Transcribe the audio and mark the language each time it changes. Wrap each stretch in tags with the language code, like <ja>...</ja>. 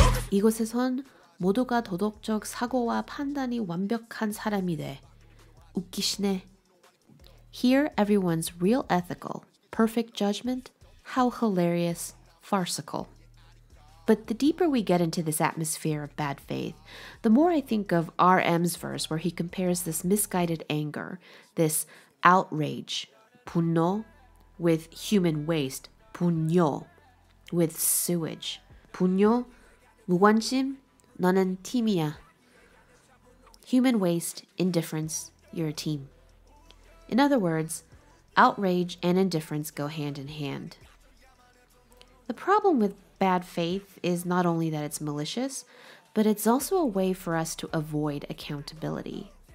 <ko>이곳에선 모두가 도덕적 사고와 판단이 완벽한 사람이 돼. 웃기시네.</ko> <en>Here, everyone's real ethical, perfect judgment, how hilarious, farcical. But the deeper we get into this atmosphere of bad faith, the more I think of RM's verse where he compares this misguided anger, this outrage, 분노, with human waste, 분뇨, with sewage.</en> <ko>분뇨, 무관심, 너는 팀이야.</ko> <en>Human waste, indifference, you're a team. In other words, outrage and indifference go hand in hand. The problem with bad faith is not only that it's malicious, but it's also a way for us to avoid accountability.</en>